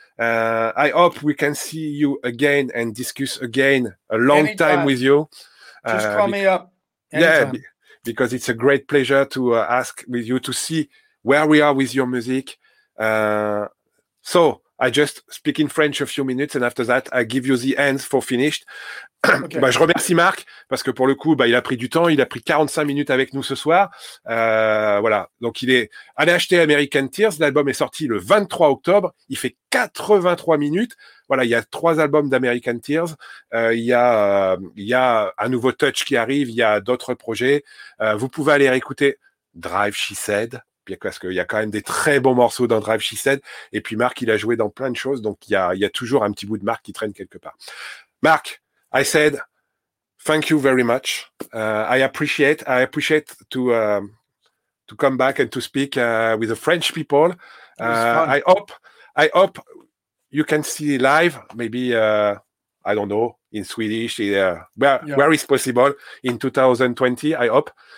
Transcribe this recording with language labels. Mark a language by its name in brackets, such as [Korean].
[English] I hope we can see you again and discuss again a long time with you. Just call me up anytime. Yeah. because it's a great pleasure to ask with you to see where we are with your music. So I just speak in French a few minutes, and after that, I give you the hands for finished. Okay. [French] Bah, je remercie Marc, parce que pour le coup, bah, il a pris du temps, il a pris 45 minutes avec nous ce soir. Voilà, donc il est allé acheter American Tears, l'album est sorti le 23 octobre, il fait 83 minutes. Voilà, il y a trois albums d'American Tears, il y a un nouveau Touch qui arrive, il y a d'autres projets. Vous pouvez aller écouter Drive, She Said, parce qu'il y a quand même des très bons morceaux dans Drive, She Said. Et puis Marc, il a joué dans plein de choses, donc il y a toujours un petit bout de Marc qui traîne quelque part. [English] Marc, I said, thank you very much. I appreciate to come back and to speak with the French people. I hope you can see live, maybe, I don't know, in Swedish, where is possible in 2020, I hope.